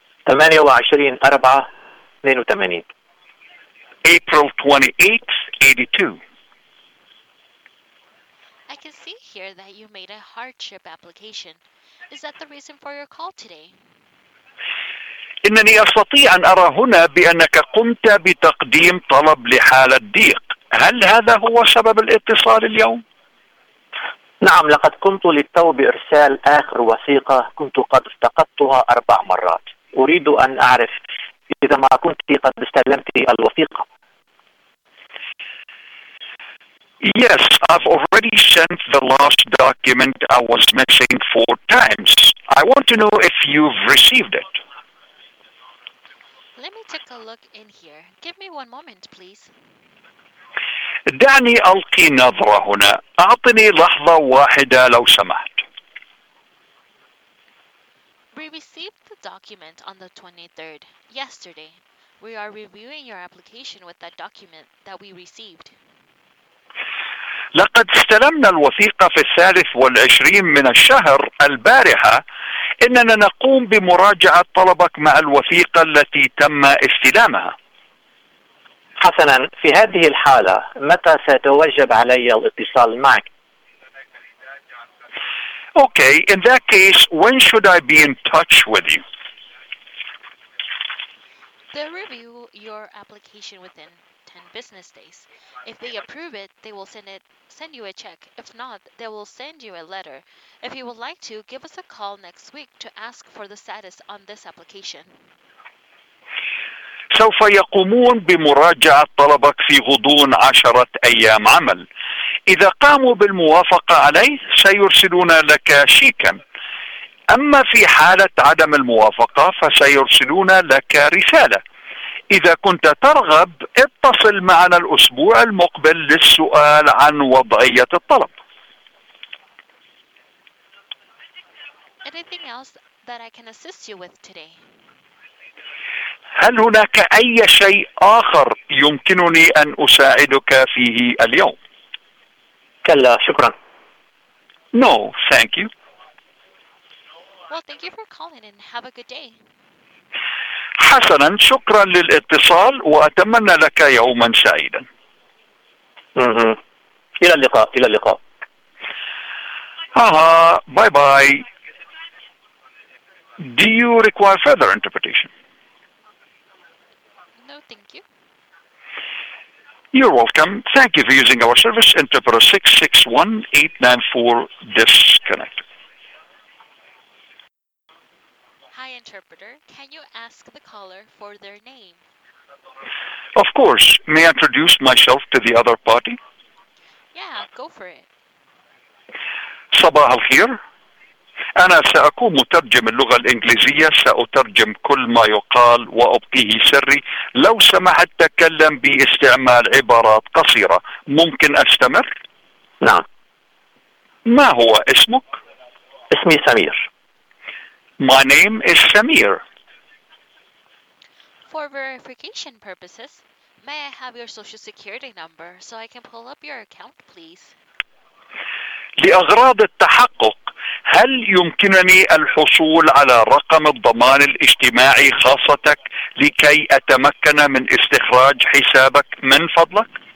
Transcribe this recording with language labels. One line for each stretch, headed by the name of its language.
English: 28/4/82 April 28th, 82 I can see here that you made a hardship application. Is that the reason for your call today?
Arabic: إنني أستطيع أن أرى هنا بأنك قمت بتقديم طلب لحالة ضيق. هل هذا هو سبب الاتصال اليوم؟ نعم، لقد قمت للتو بإرسال آخر وثيقة كنت قد افتقدتها 4 مرات. أريد أن أعرف إذا ما كنت قد استلمت الوثيقة.
English: Yes, I've already sent the last document I was missing 4 times. I want to know if you've received it. Let me take a look in here. Give me 1 moment, please.
Arabic: دعني ألقي نظرة هنا. أعطني لحظة واحدة لو سمحت.
English: We received the document on the 23rd, yesterday. We are reviewing your application with that document that we received.
Arabic: لقد استلمنا الوثيقة في 23 من الشهر البارحة. إننا نقوم بمراجعة طلبك مع الوثيقة التي تم استلامها. حسنا، في هذه الحالة متى ستوجب علي الاتصال معك؟
English: Okay, in that case, when should I be in touch with you? They'll review your application within 10 business days. If they approve it, they will send you a check. If not, they will send you a letter. If you would like to, give us a call next week to ask for the status on this application.
Arabic: سوف يقومون بمراجعة طلبك في غضون 10 أيام عمل. إذا قاموا بالموافقة عليه سيرسلون لك شيكا. أما في حالة عدم الموافقة فسيرسلون لك رسالة. إذا كنت ترغب اتصل معنا الأسبوع المقبل للسؤال عن وضعية الطلب.
English: Anything else that I can assist you with today?
Arabic: هل هناك أي شيء آخر يمكنني أن أساعدك فيه اليوم؟ كلا، شكرا.
English: No, thank you. Well, thank you for calling and have a good day.
Arabic: حسنا، شكرا للاتصال وأتمنى لك يوما سعيدا. إلى اللقاء، إلى اللقاء. هاها، باي باي.
English: Do you require further interpretation? No, thank you. You're welcome. Thank you for using our service, Interpreter 661-894-DISCONNECT. Hi, Interpreter. Can you ask the caller for their name? Of course. May I introduce myself to the other party? Yeah, go for it.
Arabic: Sabah al-khir. أنا سأكون مترجم اللغة الإنجليزية، سأترجم كل ما يقال وأبقيه سري. لو سمحت تكلم باستعمال عبارات قصيرة، ممكن أستمر؟ نعم. ما هو اسمك؟ اسمي سمير.
English: My name is Samir. For verification purposes, may I have your social security number so I can pull up your account, please?
Arabic: لأغراض التحقق، هل يمكنني الحصول على رقم الضمان الاجتماعي خاصتك لكي أتمكن من استخراج حسابك من فضلك؟